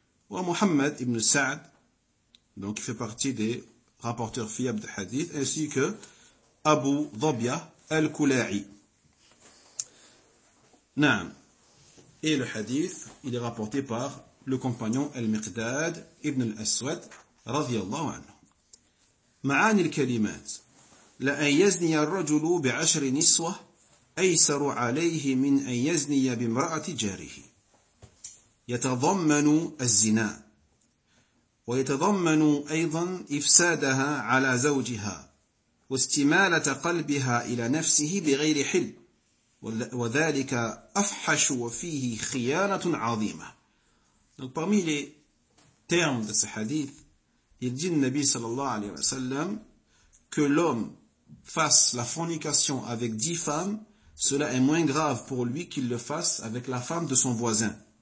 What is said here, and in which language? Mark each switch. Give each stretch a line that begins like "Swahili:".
French: Ou Muhammad ibn Sa'd, donc il fait partie des rapporteurs fiables de hadith, ainsi que Abu Dhabia al-Kula'i. Naam. Et le hadith, il est rapporté par le compagnon al-Miqdad ibn al-Aswad, radiyallahu anhu.
Arabic: Ma'ani al-Kalimat, la an yazni al-rajulu bi'ashri niswa, أيسر عليه من أن يزني بامرأة جاره يتضمن الزنا ويتضمن أيضا إفسادها على زوجها واستمالة قلبها إلى نفسه بغير حل وذلك أفحش وفيه خيانة عظيمة.
French: Donc parmi les termes de ce hadith, il dit le Nabi sallallahu alayhi wa sallam que l'homme fasse la fornication avec 10 femmes, cela est moins grave pour lui qu'il le fasse avec la femme de son voisin.